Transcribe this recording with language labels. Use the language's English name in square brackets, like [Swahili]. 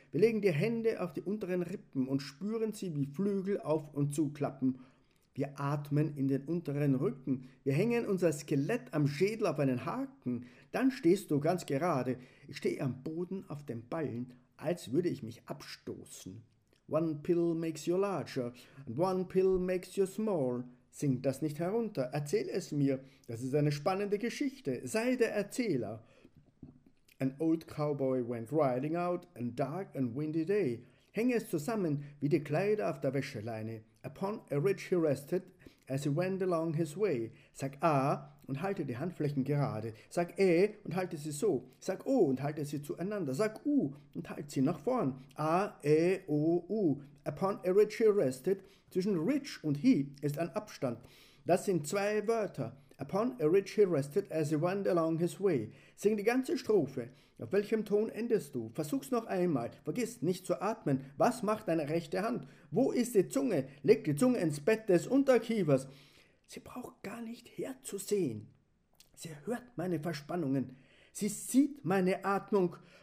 [German] Wir legen die Hände auf die unteren Rippen und spüren sie wie Flügel auf- und zuklappen. Wir atmen in den unteren Rücken. Wir hängen unser Skelett am Schädel auf einen Haken. Dann stehst du ganz gerade. Ich stehe am Boden auf den Ballen, als würde ich mich abstoßen. [English] One pill makes you larger and one pill makes you small. [German] Sing das nicht herunter. Erzähl es mir. Das ist eine spannende Geschichte. Sei der Erzähler. [English] An old cowboy went riding out on a dark and windy day. [German] Hänge es zusammen wie die Kleider auf der Wäscheleine. [English] Upon a ridge he rested as he went along his way. [German] Sag A und halte die Handflächen gerade. Sag E und halte sie so. Sag O und halte sie zueinander. Sag U und halte sie nach vorn. [English] A, E, O, U. Upon a ridge he rested. [German] Zwischen ridge und he ist ein Abstand. Das sind zwei Wörter. [English] Upon a ridge he rested as he went along his way. [German] Sing die ganze Strophe. Auf welchem Ton endest du? Versuch's noch einmal. Vergiss nicht zu atmen. Was macht deine rechte Hand? Wo ist die Zunge? Leg die Zunge ins Bett des Unterkiefers. Sie braucht gar nicht herzusehen. Sie hört meine Verspannungen. Sie sieht meine Atmung.